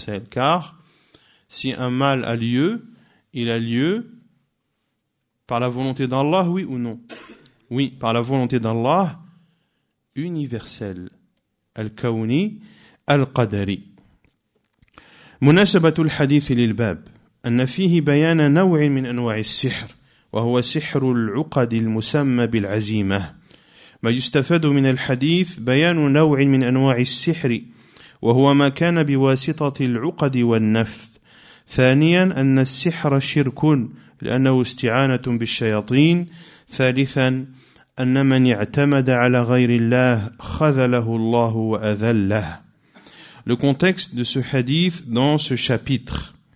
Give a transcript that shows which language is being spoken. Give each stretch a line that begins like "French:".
French: Car si un mal a lieu, il a lieu par la volonté d'Allah, oui ou non? Oui, par la volonté d'Allah universel.
Arabic: Al-Kawni al-Qadari. مناسبة الحديث للباب أن فيه بيان نوع من أنواع السحر وهو سحر العقد المسمى بالعزيمة. ما يستفاد من الحديث بيان نوع من أنواع السحر وهو ما كان بواسطة العقد والنفث. ثانيا أن السحر شرك لأنه استعانة بالشياطين. ثالثا أن من اعتمد على غير الله خذله الله وأذله.
French: Le contexte de ce hadith dans ce chapitre.